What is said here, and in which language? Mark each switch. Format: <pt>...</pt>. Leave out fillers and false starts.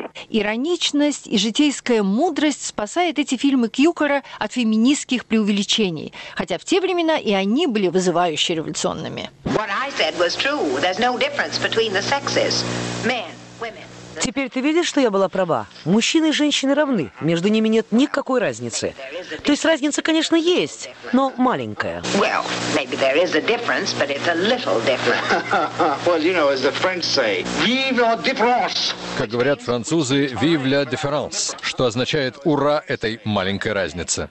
<ru>Ироничность и житейская мудрость спасают эти фильмы Кьюкора от феминистских преувеличений, хотя в те времена и они были вызывающе революционными. Теперь ты видишь, что я была права? Мужчины и женщины равны, между ними нет никакой разницы. То есть разница, конечно, есть, но маленькая.</ru> <en>Well, maybe there is a difference, but it's a little different. Well, you know, as the French say,</en> <fr>vive la différence.</fr> <ru>Как говорят французы,</ru> <fr>vive la différence,</fr> <ru>что означает ура этой маленькой разнице.</ru>